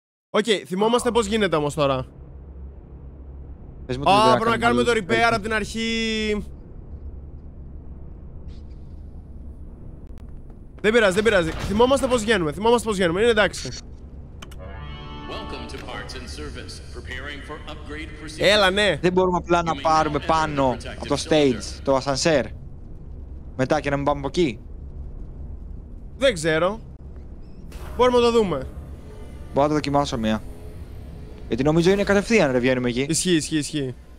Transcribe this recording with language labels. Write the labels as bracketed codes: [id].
[el] Οκ, θυμόμαστε πώς γίνεται όμως τώρα. Α, πρέπει να κάνουμε το repair από την αρχή. Δεν πειράζει, δεν πειράζει. Θυμόμαστε πώς γίνουμε, θυμόμαστε πώς γίνουμε. Είναι εντάξει. [en] Welcome to parts and service. Preparing for upgrade procedure. [el] Έλα, ναι. Δεν μπορούμε απλά να πάρουμε πάνω από το stage, το ασανσέρ. Μετά και να μην πάμε από εκεί. Δεν ξέρω. Μπορούμε να το δούμε. Μπορώ να το δοκιμάσω μία. Γιατί νομίζω είναι κατευθείαν, ρε, βγαίνουμε εκεί. Ισχύει, ισχύει, ισχύει.